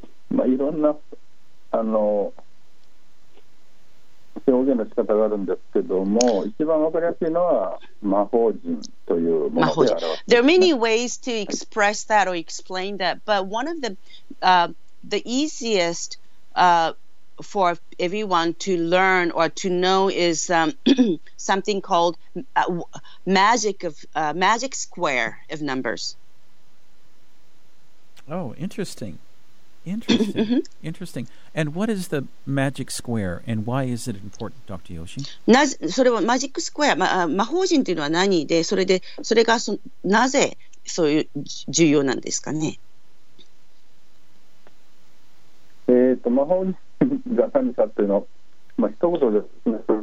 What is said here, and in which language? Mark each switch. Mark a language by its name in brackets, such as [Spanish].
[Japanese] まあ、いろんな表現の仕方があるんですけども、一番わかりやすいのは魔法陣というもので表す。 [English] There are many ways to express that or explain that, but one of the easiest for everyone to learn or to know is something called magic square of numbers. Oh, interesting. Interesting. Interesting. And what is the magic square and why is it important, Dr. Yoshi? [Japanese] それはマジックスクエア、魔法陣というのは何で、それで、それがそなぜそういう重要なんですかね。魔法陣が何かというのは、まあ、一言で説明する